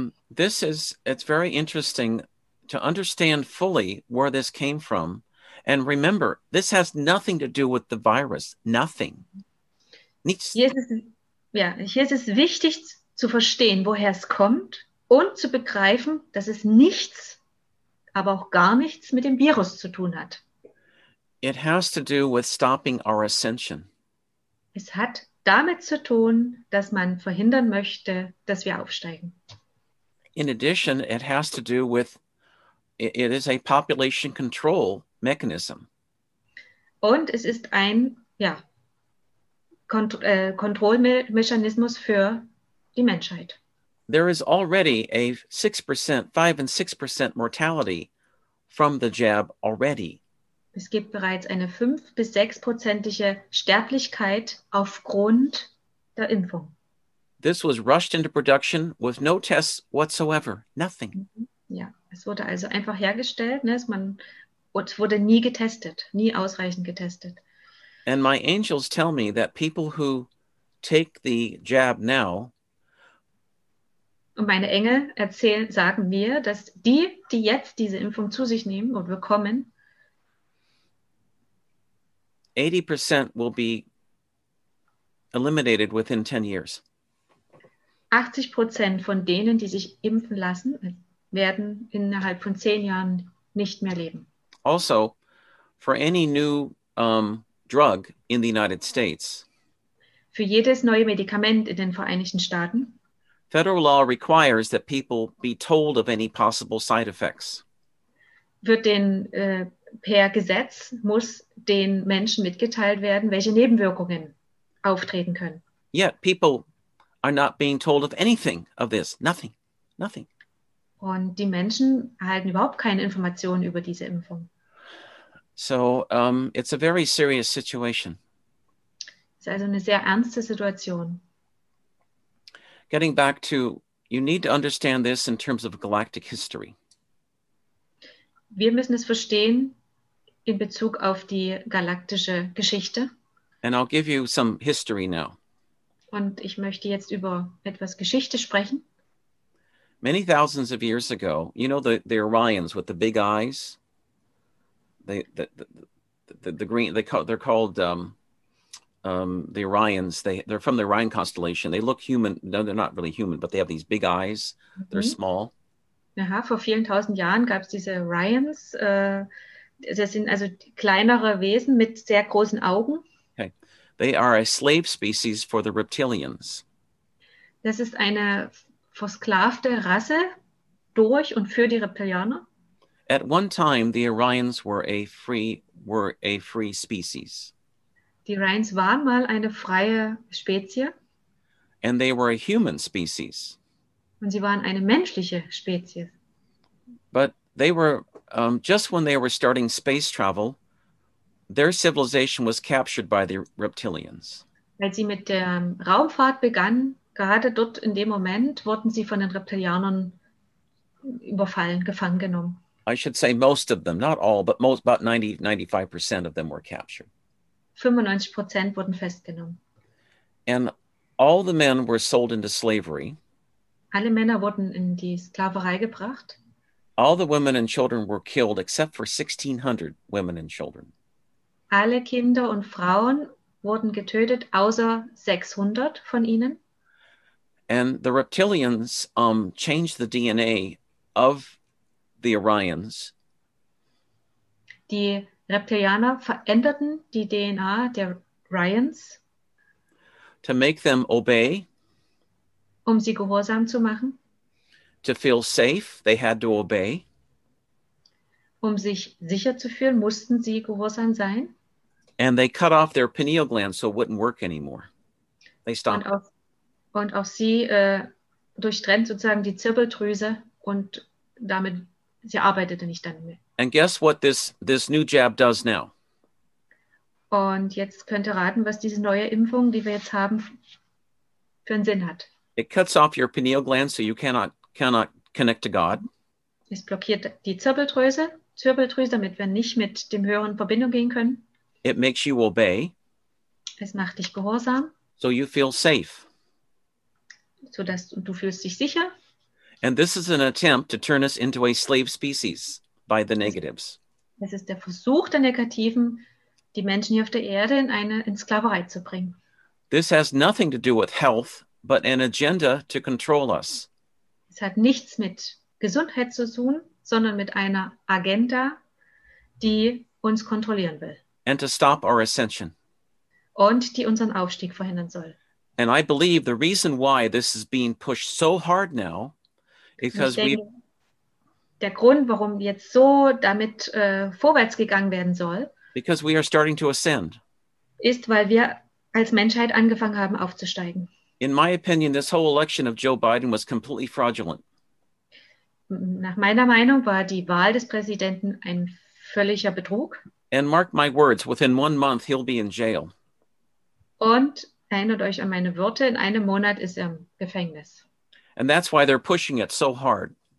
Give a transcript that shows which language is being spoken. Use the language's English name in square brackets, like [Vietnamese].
[English] This is, it's very interesting to understand fully where this came from. And remember, this has nothing to do with the virus. Nothing. [German] Nichts. Hier ist es wichtig zu verstehen, woher es kommt und zu begreifen, dass es nichts, aber auch gar nichts mit dem Virus zu tun hat. [English] It has to do with stopping our ascension. [German] Es hat damit zu tun, dass man verhindern möchte, dass wir aufsteigen. [English] In addition, it has to do with, it is a population control mechanism. [German] Und es ist ein, Kontrollmechanismus für die Menschheit. [English] There is already a 6%, 5 and 6% mortality from the jab already. [German] Es gibt bereits eine 5-6%ige Sterblichkeit aufgrund der Impfung. [English] This was rushed into production with no tests whatsoever, nothing. [German] Ja, es wurde also einfach hergestellt, ne? Es wurde nie getestet, nie ausreichend getestet. [English] And my angels tell me that people who take the jab now. [German] Und meine Engel erzählen, sagen mir, dass die, die jetzt diese Impfung zu sich nehmen und bekommen, [English] 80% will be eliminated within 10 years. [German] 80% von denen, die sich impfen lassen, werden innerhalb von 10 Jahren nicht mehr leben. [English] Also, for any new drug in the United States. [German] Für jedes neue Medikament in den Vereinigten Staaten. [English] Federal law requires that people be told of any possible side effects. [German] Wird den per Gesetz muss den Menschen mitgeteilt werden, welche Nebenwirkungen auftreten können. [English] Yet people are not being told of anything of this. Nothing. Nothing. [German] Und die Menschen erhalten überhaupt keine Informationen über diese Impfung. [English] So it's a very serious situation. [German] Es ist also eine sehr ernste Situation. [English] Getting back to, you need to understand this in terms of galactic history. [German] Wir müssen es verstehen in Bezug auf die galaktische Geschichte. [English] And I'll give you some history now. [German] Und ich möchte jetzt über etwas Geschichte sprechen. [English] Many thousands of years ago, you know the Orions with the big eyes? The green, they're called the Orions. They're from the Orion constellation. They look human. No, they're not really human, but they have these big eyes. Mm-hmm. They're small. [German] Aha, vor vielen tausend Jahren gab es diese Orions. Das sind also kleinere Wesen mit sehr großen Augen. [English] Okay. They are a slave species for the reptilians. [German] Das ist eine versklavte Rasse durch und für die Reptilianer. [English] At one time, the Orions were a free species. [German] Die Orions waren mal eine freie Spezies. [English] And they were a human species. [German] Und sie waren eine menschliche Spezies. [English] But they were, just when they were starting space travel, their civilization was captured by the reptilians. [German] Weil sie mit der Raumfahrt begann, gerade dort in dem Moment, wurden sie von den Reptilianern überfallen, gefangen genommen. [English] I should say most of them, not all, but most, about 90-95% of them were captured. [German] 95% wurden festgenommen. [English] And all the men were sold into slavery. [German] Alle Männer wurden in die Sklaverei gebracht. [English] All the women and children were killed except for 1600 women and children. [German] Alle Kinder und Frauen wurden getötet, außer 600 von ihnen. [English] And the reptilians changed the DNA of the Orions. [German] Die Reptilianer veränderten die DNA der Orions. [English] To make them obey. [German] Um sie gehorsam zu machen. [English] To feel safe, they had to obey. [German] Um sich sicher zu fühlen, mussten sie gehorsam sein. [English] And they cut off their pineal gland so it wouldn't work anymore. They stopped. [German] Und auch sie durchtrennt sozusagen die Zirbeldrüse und damit, sie arbeitete nicht dann mehr. [English] And guess what this new jab does now? [German] Und jetzt könnt ihr raten, was diese neue Impfung, die wir jetzt haben, für einen Sinn hat. [English] It cuts off your pineal gland so you cannot connect to God. [German] Es blockiert die Zirbeldrüse, damit wir nicht mit dem Höheren in Verbindung gehen können. [English] It makes you obey. [German] Es macht dich gehorsam. [English] So you feel safe. [German] So dass du fühlst dich sicher. [English] And this is an attempt to turn us into a slave species by the negatives. [German] Es ist der Versuch der Negativen, die Menschen hier auf der Erde in eine Sklaverei zu bringen. [English] This has nothing to do with health, but an agenda to control us. [German] Es hat nichts mit Gesundheit zu tun, sondern mit einer Agenda, die uns kontrollieren will. [English] And to stop our ascension. [German] Und die unseren Aufstieg verhindern soll. [English] And I believe the reason why this is being pushed so hard now, because we... [German] Der Grund, warum jetzt so damit vorwärts gegangen werden soll, [English] because we are starting to ascend. [German] Ist, weil wir als Menschheit angefangen haben, aufzusteigen. [English] In my opinion, this whole election of Joe Biden was completely fraudulent. [German] Nach meiner Meinung war die Wahl des Präsidenten ein völliger Betrug. [English] And mark my words, within 1 month, he'll be in jail. [German] Und erinnert euch an meine Worte, in einem Monat ist er im Gefängnis. [English] And that's why they're pushing it so hard.